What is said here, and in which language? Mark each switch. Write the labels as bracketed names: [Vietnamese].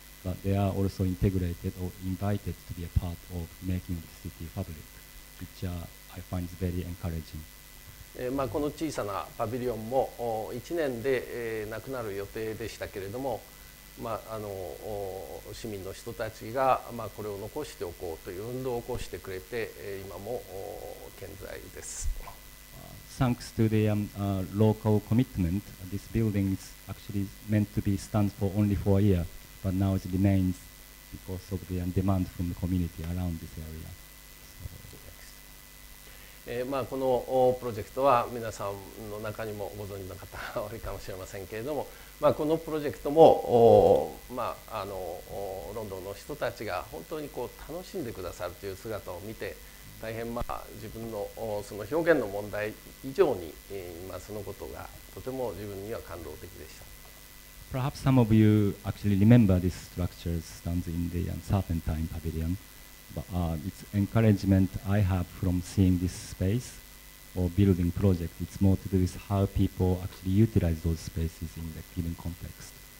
[English] But they are also integrated or invited to be a part of making the city public, which I find is very encouraging. [Japanese] まあこの小さなパビリオンも1年でなくなる予定でしたけれども、まああの市民の人たちがまあこれを残しておこうという運動を起こしてくれて、今も健在です。 [English] Thanks to the local commitment, this building is actually meant to be stand for only for a year. But now it remains because of the demand from the community around this area. [Japanese] まあこのプロジェクトは皆さんの中にもご存知の方多いかもしれませんけれども、まあこのプロジェクトもまああのロンドンの人たちが本当にこう楽しんでくださるという姿を見て、大変まあ自分のその表現の問題以上に、まあそのことがとても自分には感動的でした。 [English] Perhaps some of you actually remember this structure stands in the Serpentine Pavilion, but its encouragement I have from seeing this space or building project, it's more to do with how people actually utilize those spaces in the given context.